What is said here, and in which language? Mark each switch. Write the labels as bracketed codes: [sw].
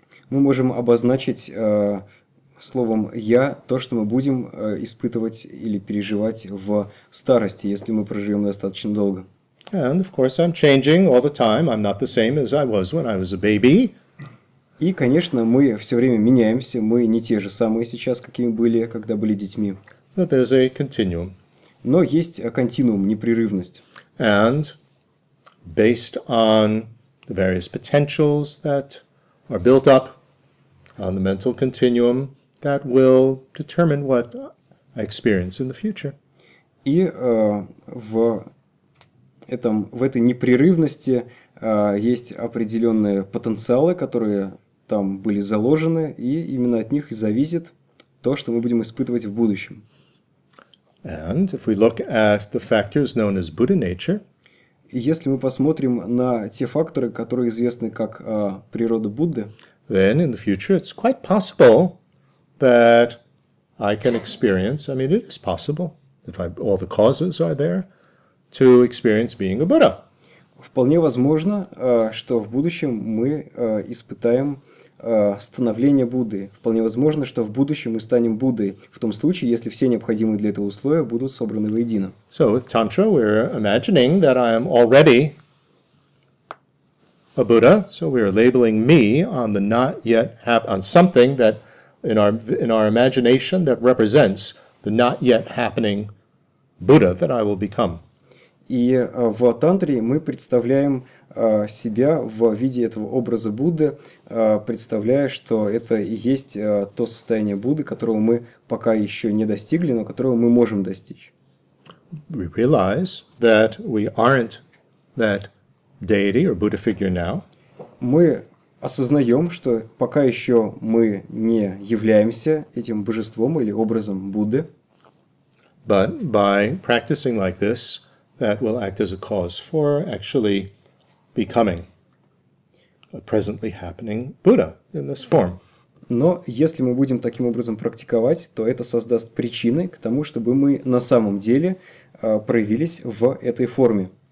[ru] Мы можем обозначить словом «я» то, что мы будем испытывать или переживать в старости, если мы проживем достаточно долго. [en] And, of course, I'm changing all the time. I'm not the same as I was when I was a baby. [ru] И, конечно, мы все время меняемся. Мы не те же самые сейчас, какими были, когда были детьми. [en] But there's a continuum. [ru] Но есть континуум, непрерывность. [en] And based on the various potentials that are built up on the mental continuum, that will determine what I experience in the future. [ru] И в этой непрерывности есть определенные потенциалы, которые там были заложены, и именно от них и зависит то, что мы будем испытывать в будущем. [en] And if we look at the factors known as Buddha nature, [ru] если мы посмотрим на те факторы, которые известны как природа Будды, [en] then in the future it's quite possible that I can experience, I mean, it is possible, if all the causes are there, to experience being a Buddha. [ru] Вполне возможно, что в будущем мы испытаем становление Будды. Вполне возможно, что в будущем мы станем Буддой, в том случае, если все необходимые для этого условия будут собраны воедино. [en] So with Tantra we're imagining that I am already a Buddha, so we are labeling me on the not yet on something that in our imagination that represents the not yet happening Buddha that I will become. [ru] И в тантре мы представляем себя в виде этого образа Будды, представляя, что это и есть то состояние Будды, которого мы пока еще не достигли, но которого мы можем достичь. [en] We realize that we aren't that deity or Buddha figure now. [ru] Мы осознаем, что пока еще мы не являемся этим божеством или образом Будды. [en] But by practicing like this, that will act as a cause for actually becoming a presently happening Buddha in this form. [ru] Но если мы будем таким образом практиковать, то это создаст причины к тому, чтобы мы на самом деле проявились в этой форме.